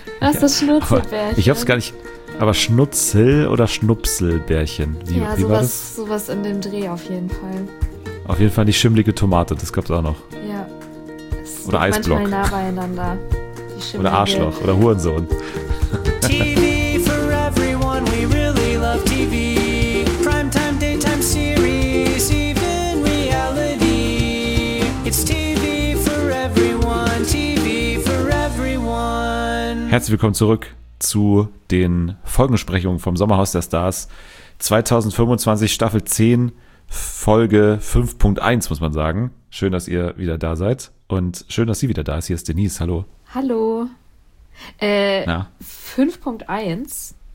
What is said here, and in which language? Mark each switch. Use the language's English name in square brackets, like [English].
[German] War's das Schnutzelbärchen? Aber ich hab's gar nicht. Aber Schnutzel oder Schnupselbärchen? Wie sowas, war das? Sowas in dem Dreh auf jeden Fall. Auf jeden Fall die schimmelige Tomate, das gab's auch noch. Ja. Oder Eisblock. Manchmal nah beieinander. Oder Arschloch oder Hurensohn. [English] TV for everyone, we really love TV. Primetime, daytime series, even reality. It's TV for everyone, TV for everyone. [German] Herzlich willkommen zurück zu den Folgensprechungen vom Sommerhaus der Stars 2025, Staffel 10, Folge 5.1, muss man sagen. Schön, dass ihr wieder da seid. Und schön, dass sie wieder da ist. Hier ist Denise. Hallo. Hallo. Na? 5.1?